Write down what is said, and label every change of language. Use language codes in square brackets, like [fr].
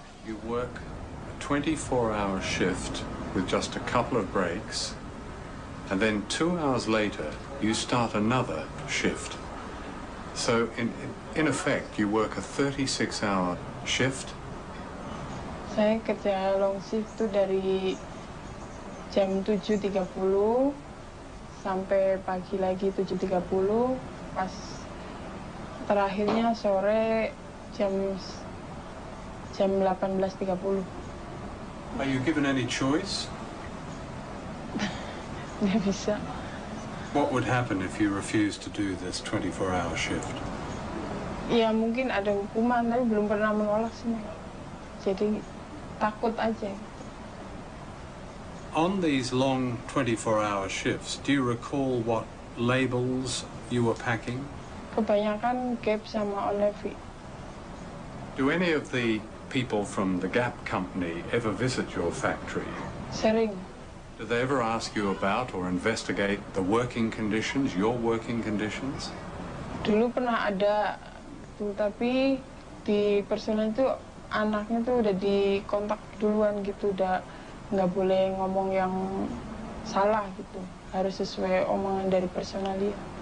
[en] You work a 24-hour shift with just a couple of breaks, and then 2 hours later, you start another shift. So in effect, you work a 36-hour shift. [id] Saya kerja long shift itu dari jam 7.30 sampai pagi lagi 7.30, pas terakhirnya sore jam 18.30. [en] Are you given any choice? [id] Nggak bisa. [en] What would happen if you refused to do this 24-hour shift? [id] Ya mungkin ada hukuman, tapi belum pernah menolak sih. Jadi takut aja. [en] On these long 24-hour shifts, do you recall what labels you were packing? [id] Kebanyakan Gap sama Olevi. [en] Do any of the people from the Gap company ever visit your factory? [id] Sering. [en] Do they ever ask you about or investigate the working conditions, your working conditions? [id] Dulu pernah ada, tapi di personal itu anaknya tuh udah dikontak duluan gitu, udah nggak boleh ngomong yang salah gitu, harus sesuai omongan dari personal dia.